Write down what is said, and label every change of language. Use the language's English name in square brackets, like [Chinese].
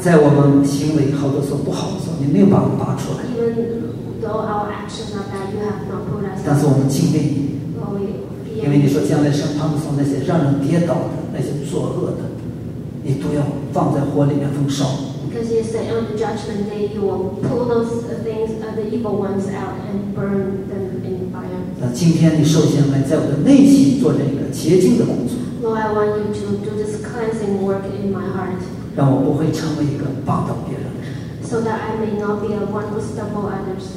[Chinese] 在我们心里好多时候不好的时候，你没有把我们拔出来。 [English] Even though our actions are bad, you have not pulled us out. [Chinese] 但是我们敬畏你。因为你说将来审判的时候，那些让人跌倒的，那些作恶的，你都要放在火里面焚烧。 [English] Because you say on the judgment day you will pull those things, the evil ones out and burn them in fire. [Chinese] 那今天你首先来在我的内心做这个洁净的工作。 [English] Lord, I want you to do this cleansing work in my heart. [Chinese] 让我不会成为一个绊倒别人的人。 [English] So that I may not be one who stumble others.